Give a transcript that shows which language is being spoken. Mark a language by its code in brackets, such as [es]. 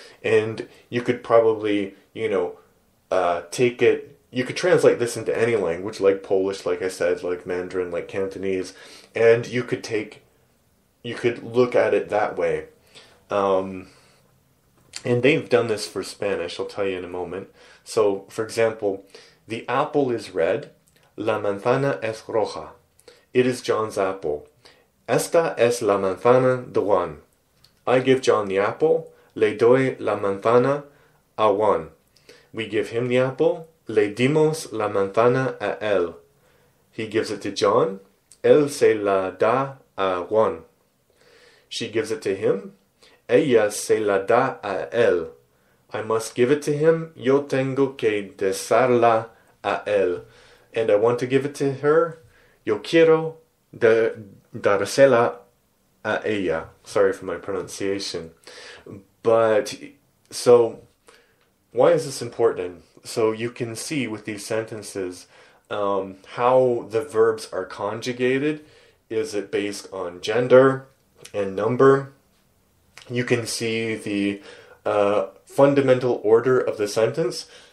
[en] And you could probably, you know, take it, you could translate this into any language, like Polish, like I said, like Mandarin, like Cantonese, and you could take, you could look at it that way. And they've done this for Spanish, I'll tell you in a moment. So, for example, the apple is red. [es] La manzana es roja. [en] It is John's apple. [es] Esta es la manzana de Juan. [en] I give John the apple. [es] Le doy la manzana a Juan. [en] We give him the apple. [es] Le dimos la manzana a él. [en] He gives it to John. [es] Él se la da a Juan. [en] She gives it to him. [es] Ella se la da a él. [en] I must give it to him. [es] Yo tengo que desarla a él. [en] And I want to give it to her. [es] Yo quiero dársela a ella. [en] Sorry for my pronunciation. But, so, why is this important? So you can see with these sentences how the verbs are conjugated Is it based on gender and number? You can see the fundamental order of the sentence.